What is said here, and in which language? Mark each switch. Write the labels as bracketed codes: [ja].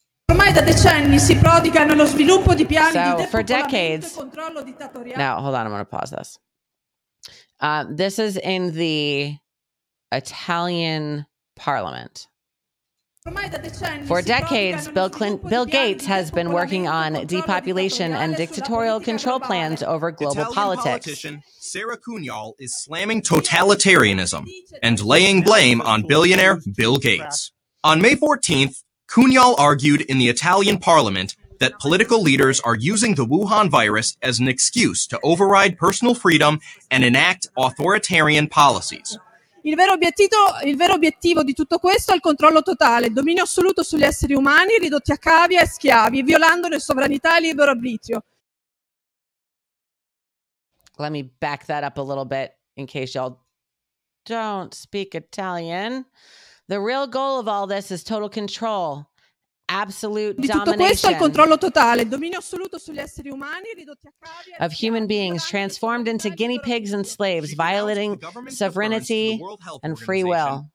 [it] Ormai da decenni si prodiga nello sviluppo di piani di depopolamento e controllo dittatoriale. [en] Now, hold on, I'm going to pause this. This is in the Italian Parliament. For decades, Bill Gates has been working on depopulation and dictatorial control plans over global politics. Politician Sarah Kuhnhal is slamming totalitarianism and laying blame on billionaire Bill Gates. On May 14th, Kuhnhal argued in the Italian Parliament that political leaders are using the Wuhan virus as an excuse to override personal freedom and enact authoritarian policies. [it] Il vero obiettivo di tutto questo è il controllo totale, dominio assoluto sugli esseri umani, ridotti a cavia e schiavi, violandone sovranità e libero arbitrio. [en] Let me back that up a little bit in case y'all don't speak Italian. The real goal of all this is total control absolute domination of human beings transformed into guinea pigs and slaves, violating sovereignty and free will,